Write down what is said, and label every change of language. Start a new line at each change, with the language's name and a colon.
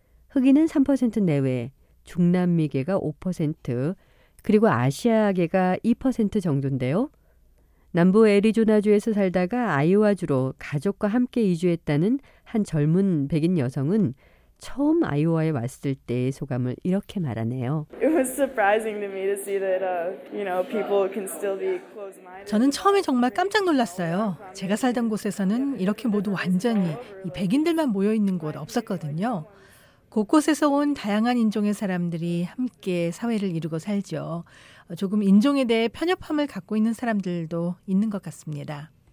Korean: 흑인은 3% 내외, 중남미계가 5%, 그리고 아시아계가 2% 정도인데요. 남부 애리조나주에서 살다가 아이오와주로 가족과 함께 이주했다는 한 젊은 백인 여성은 처음 아이오와에 왔을 때의 소감을 이렇게 말하네요.
English: It was surprising to me to see that you know people can still be close-minded.
Korean: 저는 처음에 정말 깜짝 놀랐어요. 제가 살던 곳에서는 이렇게 모두 완전히 이 백인들만 모여 있는 곳 없었거든요. 곳곳에서 온 다양한 인종의 사람들이 함께 사회를 이루고 살죠. 조금 인종에 대해 편협함을 갖고 있는 사람들도 있는 것 같습니다.